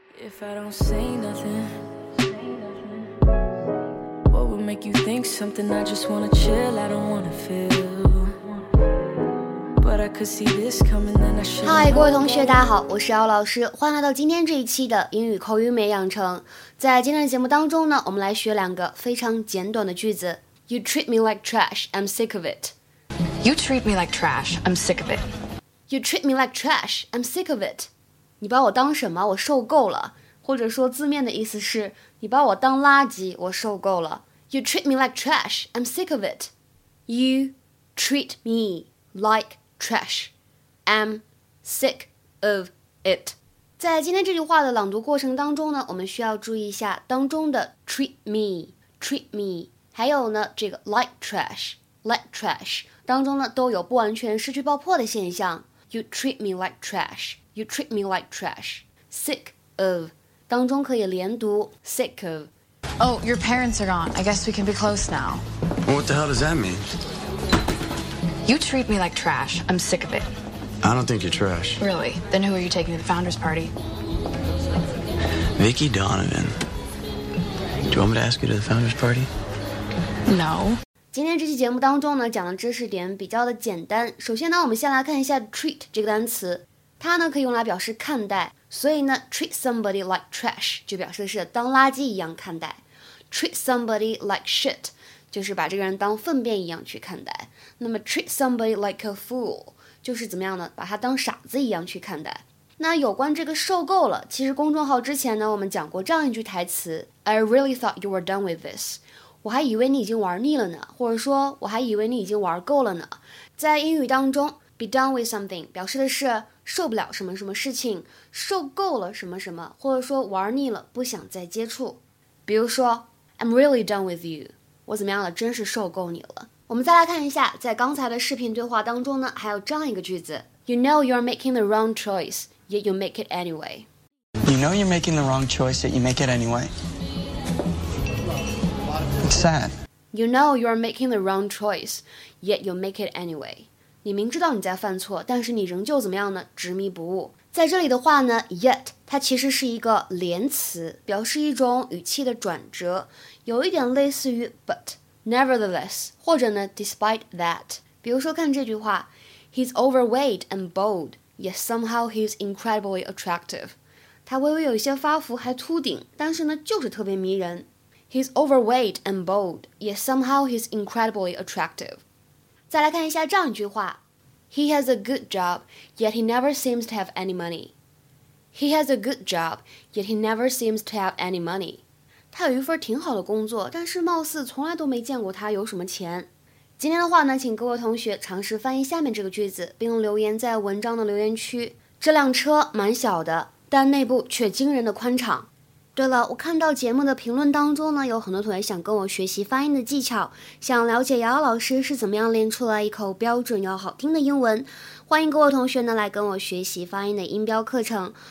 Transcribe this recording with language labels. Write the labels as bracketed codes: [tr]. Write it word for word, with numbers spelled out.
[en] If I don't say nothing, what would make you think something? I just wanna chill, I don't wanna feel, but I could see this coming. Then I should. [zh] 嗨，各位同学，大家好，我是姚老师，欢迎来到今天这一期的英语口语美养成。在今天的节目当中呢，我们来学两个非常简短的句子。 [en] You treat me like trash, I'm sick of it. You treat me like trash, I'm sick of it. You treat me like trash, I'm sick of it. [zh] 你把我当什么？我受够了。或者说字面的意思是，你把我当垃圾，我受够了。 [en] You treat me like trash, I'm sick of it. You treat me like trash, I'm sick of it. [zh] 在今天这句话的朗读过程当中呢，我们需要注意一下当中的 [en] treat me, treat me, [zh] 还有呢这个 [en] like trash, like trash [zh] 当中呢都有不完全失去爆破的现象。 [en] You treat me like trash. You treat me like trash. Sick of. [zh] 当中可以连读 [en] sick of. Oh, your parents are gone. I guess we can be close now. What the hell does that mean? You treat me like trash. I'm sick of it. I don't think you're trash. Really? Then who are you taking to the founders party? Vicky Donovan. Do you want me to ask you to the founders party? No. [zh] 今天这期节目当中呢，讲的知识点比较的简单。首先呢，我们先来看一下 treat 这个单词。它呢可以用来表示看待，所以呢 [en] treat somebody like trash [zh] 就表示是当垃圾一样看待， [en] treat somebody like shit [zh] 就是把这个人当粪便一样去看待，那么 [en] treat somebody like a fool [zh] 就是怎么样呢，把他当傻子一样去看待。那有关这个受够了，其实公众号之前呢我们讲过这样一句台词， [en] I really thought you were done with this， [zh] 我还以为你已经玩腻了呢，或者说我还以为你已经玩够了呢。在英语当中 [en] be done with something [zh] 表示的是受不了什么什么事情，受够了什么什么，或者说玩腻了，不想再接触。比如说 [en] I'm really done with you， [zh] 我怎么样了，真是受够你了。我们再来看一下，在刚才的视频对话当中呢，还有这样一个句子， [en] You know you're making the wrong choice, yet you make it anyway. You know you're making the wrong choice, yet you make it anyway. It's sad. You know you're making the wrong choice, yet you make it anyway. [zh] 你明知道你在犯错，但是你仍旧怎么样呢？执迷不悟。在这里的话呢 ，yet 它其实是一个连词，表示一种语气的转折，有一点类似于 but、nevertheless 或者呢 [en] despite that。 [zh] 比如说看这句话 [en] ，He's overweight and bold, yet somehow he's incredibly attractive。 [zh] 他微微有一些发福，还秃顶，但是呢就是特别迷人。 [en] He's overweight and bold, yet somehow he's incredibly attractive。 [zh] 再来看一下这样一句话 [en] He has a good job, yet he never seems to have any money. He has a good job, yet he never seems to have any money. [zh] 他有一份挺好的工作，但是貌似从来都没见过他有什么钱。今天的话呢，请各位同学尝试翻译下面这个句子，并留言在文章的留言区。这辆车蛮小的，但内部却惊人的宽敞。对了，我看到节目的评论当中呢，有很多同学想跟我学习发音的技巧，想了解姚老师是怎么样练出来一口标准又好听的英文，欢迎各位同学呢来跟我学习发音的音标课程。